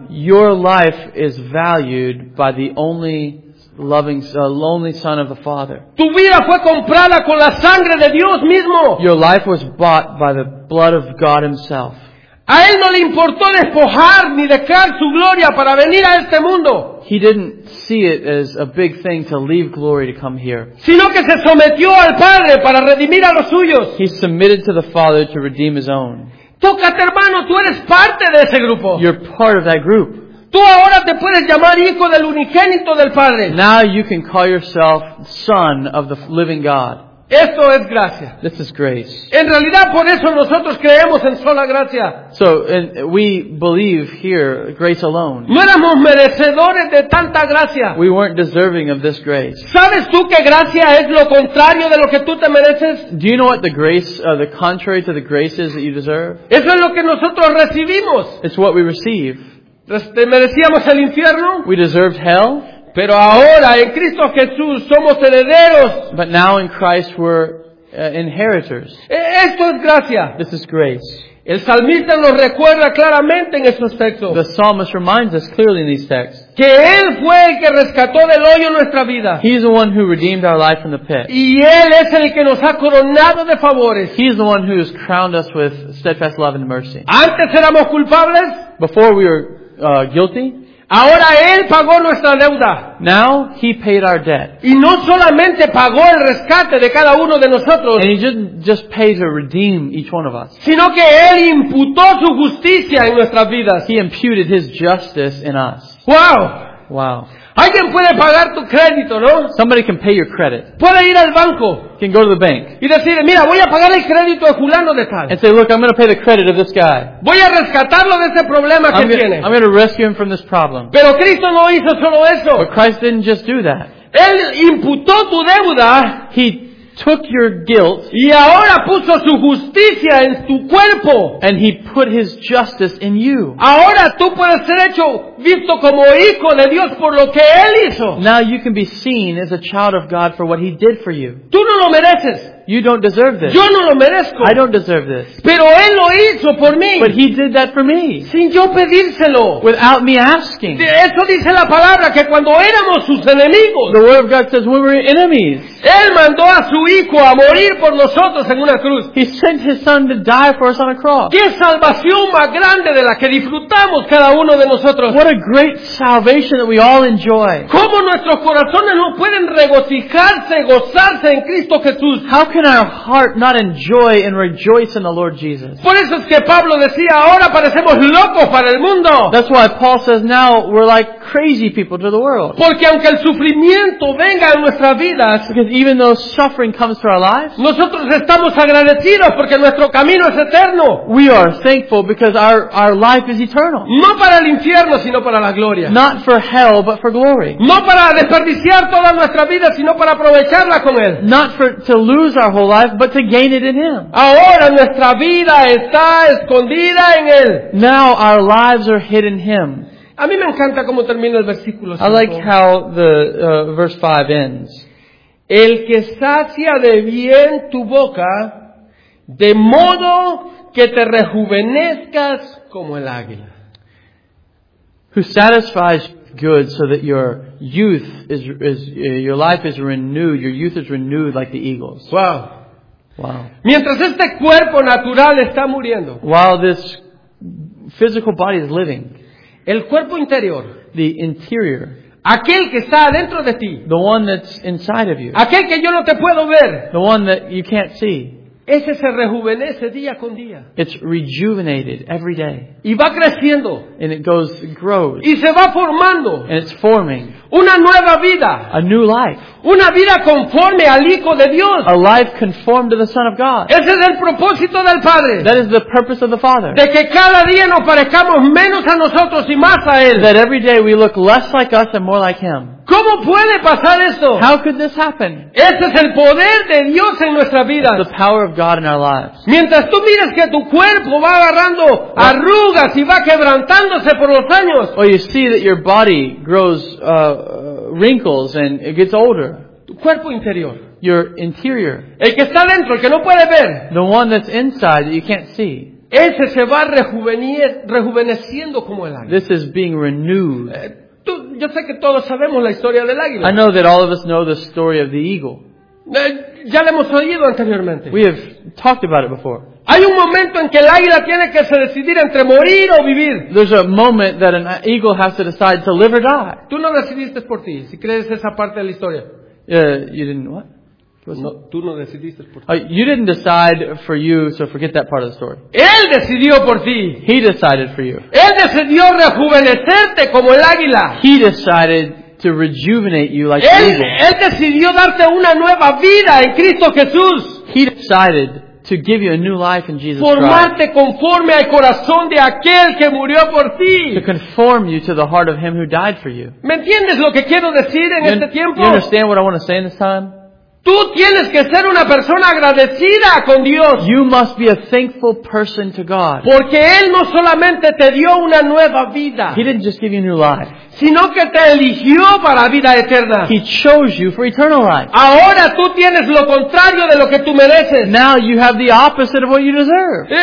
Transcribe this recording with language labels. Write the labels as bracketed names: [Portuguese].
[English] Your life is valued by the only loving, lonely Son of the Father. [Spanish] Tu vida fue comprada con la sangre de Dios mismo. [English] Your life was bought by the blood of God Himself. [Spanish] A Él no le importó despojar ni dejar su gloria para venir a este mundo. [English] He didn't see it as a big thing to leave glory to come here. [Spanish] Sino que se sometió al Padre para redimir a los suyos. [English] He submitted to the Father to redeem His own. [Spanish] Tócate, hermano, tú eres parte de ese grupo. [English] You're part of that group. [Spanish] Tú ahora te puedes llamar hijo del unigénito del Padre. [English] Now you can call yourself son of the living God. [Spanish] Esto es gracia. [English] This is grace. [Spanish] En realidad, por eso nosotros creemos en sola gracia. [English] So, and we believe here grace alone. [Spanish] No éramos merecedores de tanta gracia. [English] We weren't deserving of this grace. [Spanish] ¿Sabes tú que gracia es lo contrario de lo que tú te mereces? [English] Do you know what the grace, the contrary to the grace is that you deserve? [Spanish] Eso es lo que nosotros recibimos. [English] It's what we receive. [Spanish] ¿Merecíamos el infierno? [English] We deserved hell. [Spanish] Pero ahora en Cristo Jesús somos herederos. [English] But now in Christ we're inheritors. [Spanish] Esto es gracia. [English] This is grace. [Spanish] El salmista nos recuerda claramente en estos textos. [English] The psalmist reminds us clearly in these texts. [Spanish] Que él fue el que rescató del hoyo nuestra vida. [English] He is the one who redeemed our life from the pit. [Spanish] Y él es el que nos ha coronado de favores. [English] He is the one who has crowned us with steadfast love and mercy. [Spanish] Antes éramos culpables. [English] Before we were guilty. [Spanish] Ahora él pagó nuestra deuda. [English] Now he paid our debt. [Spanish] Y no solamente pagó el rescate de cada uno de nosotros. [English] And he didn't just pay to redeem each one of us. [Spanish] Sino que él imputó su justicia en nuestras vidas. [English] He imputed his justice in us. Wow. Wow. [Spanish] Alguien puede pagar tu crédito, ¿no? [English] Somebody can pay your credit. [Spanish] Puede ir al banco. [English] Can go to the bank. [Spanish] Y decir, mira, voy a pagar el crédito a fulano de tal. [English] And say, look, I'm going to pay the credit of this guy. [Spanish] Voy a rescatarlo de ese problema que tiene. [English] I'm going to rescue him from this problem. [Spanish] Pero Cristo no hizo solo eso. [English] But Christ didn't just do that. [Spanish] Él imputó tu deuda. [English] He took your guilt. [Spanish] Y ahora puso su justicia en tu cuerpo. [English] And he put his justice in you. [Spanish] Ahora tú puedes ser hecho visto como hijo de Dios por lo que él hizo. [English] Now you can be seen as a child of God for what he did for you. [Spanish] Tú no lo mereces. [English] You don't deserve this. [Spanish] Yo no lo merezco. [English] I don't deserve this. [Spanish] Pero él lo hizo por mí. [English] But he did that for me. [Spanish] Sin yo pedírselo. [English] Without me asking. [Spanish] Eso dice la palabra que cuando éramos sus enemigos. [English] The word of God says we were enemies. [Spanish] Él mandó a su hijo a morir por nosotros en una cruz. [English] He sent his son to die for us on a cross. [Spanish] Qué salvación más grande de la que disfrutamos cada uno de nosotros. [English] What a great salvation that we all enjoy. [Spanish] Cómo nuestros corazones no pueden regocijarse, gozarse en Cristo Jesús. [English] How can our heart not enjoy and rejoice in the Lord Jesus? [Spanish] Por eso es que Pablo decía, ahora parecemos locos para el mundo. [English] That's why Paul says now we're like crazy people to the world. [Spanish] Porque aunque el sufrimiento venga en nuestras vidas, [English] because even though suffering comes to our lives, [Spanish] nosotros estamos agradecidos porque nuestro camino es eterno. [English] We are thankful because our life is eternal. [Spanish] No para el infierno, sino para la gloria. [English] Not for hell, but for glory. [Spanish] No para desperdiciar toda nuestra vida, sino para aprovecharla con él. [English] Not for to lose our whole life, but to gain it in him. [Spanish] Ahora nuestra vida está escondida en él. [English] Now our lives are hidden in him. [Spanish] A mí me encanta cómo termina el versículo 5. [English] I like how the verse 5 ends. [Spanish] El que sacia de bien tu boca, de modo que te rejuvenezcas como el águila. [English] Who satisfies good so that your youth is your life is renewed, your youth is renewed like the eagles. Wow. Wow. [Spanish] Mientras este cuerpo natural está muriendo. [English] While this physical body is living. [Spanish] El cuerpo interior, [English] the interior, [Spanish] aquel que está adentro de ti, [English] the one that's inside of you, [Spanish] aquel que yo no te puedo ver, [English] the one that you can't see, [Spanish] ese se rejuvenece día con día. [English] It's rejuvenated every day. [Spanish] Y va creciendo. [English] And it goes, it grows. [Spanish] Y se va formando. [English] And it's forming. [Spanish] Una nueva vida. [English] A new life. [Spanish] Una vida conforme al Hijo de Dios. [English] A life conformed to the Son of God. [Spanish] Ese es el propósito del Padre. [English] That is the purpose of the Father. [Spanish] De que cada día nos parezcamos menos a nosotros y más a Él. [English] That every day we look less like us and more like Him. [Spanish] ¿Cómo puede pasar esto? [English] How could this happen? [Spanish] Ese es el poder de Dios en nuestra vida. [English] The power of God in our lives. [Spanish] Mientras tú miras que tu cuerpo va agarrando arrugas y va quebrantándose por los años. [English] Or you see that your body grows wrinkles and it gets older. [Spanish] Tu cuerpo interior. [English] Your interior. [Spanish] El que está dentro, el que no puede ver. [English] The one that's inside that you can't see. [Spanish] Ese se va rejuveneciendo como el águila. [English] This is being renewed. [Spanish] Yo sé que todos sabemos la historia del águila. [English] I know that all of us know the story of the eagle. [Spanish] Ya lo hemos oído anteriormente. [English] We have talked about it before. [Spanish] Hay un momento en que el águila tiene que se decidir entre morir o vivir. [English] There's a moment that an eagle has to decide to live or die. [Spanish] Tú no decidiste por ti, si crees esa parte de la historia. [English] You didn't what? [Spanish] No, tú no decidiste por ti. [English] You didn't decide for you, so forget that part of the story. [Spanish] Él decidió por ti. [English] He decided for you. [Spanish] Él decidió rejuvenecerte como el águila. [English] He decided to rejuvenate you like [Spanish] él, [English] the eagle. [Spanish] Él decidió darte una nueva vida en Cristo Jesús. [English] He decided to give you a new life in Jesus [Spanish] Formarte [English] Christ. [Spanish] Formarte conforme al corazón de aquel que murió por ti. [English] To conform you to the heart of him who died for you. [Spanish] ¿Me entiendes lo que quiero decir en este tiempo? [English] You understand what I want to say in this time? [Spanish] Tú tienes que ser una persona agradecida con Dios. [English] You must be a thankful person to God. [Spanish] Porque Él no solamente te dio una nueva vida. [English] He didn't just give you new life. [Spanish] Sino que te eligió para vida eterna. [English] He chose you for eternal life. [Spanish] Ahora tú tienes lo contrario de lo que tú mereces. [English] Now you have the opposite of what you deserve.